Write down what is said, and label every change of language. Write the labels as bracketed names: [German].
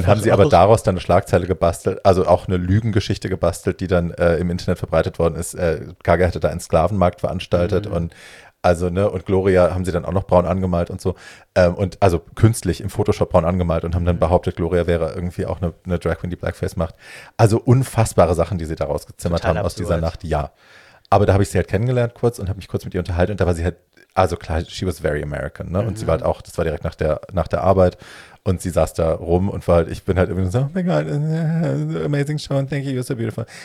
[German] Dann haben sie aber daraus dann eine Schlagzeile gebastelt, also auch eine Lügengeschichte gebastelt, die dann im Internet verbreitet worden ist, Gaga hätte da einen Sklavenmarkt veranstaltet und also, ne, und Gloria haben sie dann auch noch braun angemalt und so. Und also künstlich im Photoshop braun angemalt und haben dann behauptet, Gloria wäre irgendwie auch eine Drag Queen, die Blackface macht. Also unfassbare Sachen, die sie da rausgezimmert total haben absurd aus dieser Nacht, ja. Aber da habe ich sie halt kennengelernt kurz und habe mich kurz mit ihr unterhalten. Und da war sie halt, also klar, [English] she was very American, [German] ne? Und sie war halt auch, das war direkt nach der Arbeit. Und sie saß da rum und war halt, ich bin halt irgendwie so, [English] oh my God, amazing show, thank you, you're so beautiful.